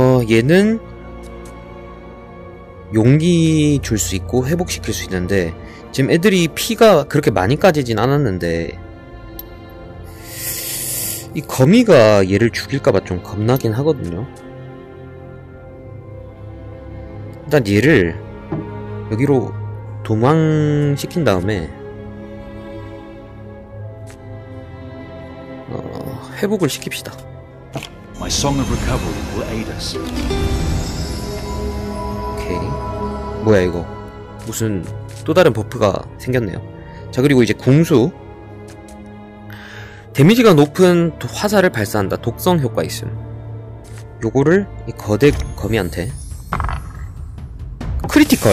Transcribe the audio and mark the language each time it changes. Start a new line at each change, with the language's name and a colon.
Korean: 얘는 용기 줄 수 있고 회복시킬 수 있는데 지금 애들이 피가 그렇게 많이 까지진 않았는데 이 거미가 얘를 죽일까봐 좀 겁나긴 하거든요. 일단 얘를 여기로 도망시킨 다음에 회복을 시킵시다.
English: My song of recovery will aid us.
Korean: 오케이. 뭐야 이거, 무슨 또 다른 버프가 생겼네요. 자, 그리고 이제 궁수. 데미지가 높은 화살을 발사한다. 독성 효과 있음. 요거를 이 거대 거미한테 크리티컬.